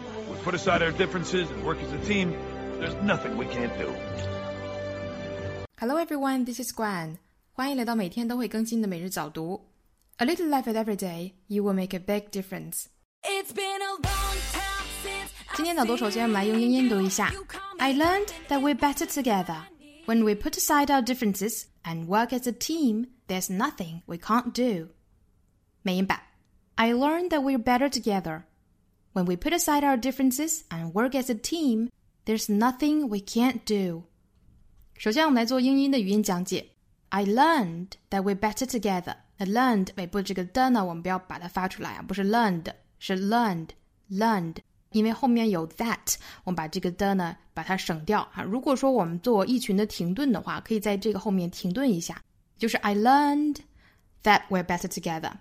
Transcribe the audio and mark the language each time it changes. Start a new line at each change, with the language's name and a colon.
English: We put aside our differences and work as a team. There's nothing we can't do. Hello, everyone. This is Gwen.
Chinese: 欢迎来到每天都会更新的每日早读。
English: A little effort every day, you will make a big difference. It's been a long time since.
Chinese: 今天早读首先我们来用英音读一下。
English: I learned that we're better together. When we put aside our differences and work as a team, there's nothing we can't do.
Chinese: 美音版。
English: I learned that we're better together. When we put aside our differences and work as a team, there's nothing we can't do.
Chinese: 首先我们来做英音的语音讲解。
English: I learned that we're better together.
Chinese: Learned 尾部这个的呢，我们不要把它发出来啊，不是 learned， 是 learned， 因为后面有 that， 我们把这个的呢把它省掉啊。如果说我们做一群的停顿的话，可以在这个后面停顿一下，就是
English: I learned that we're better together。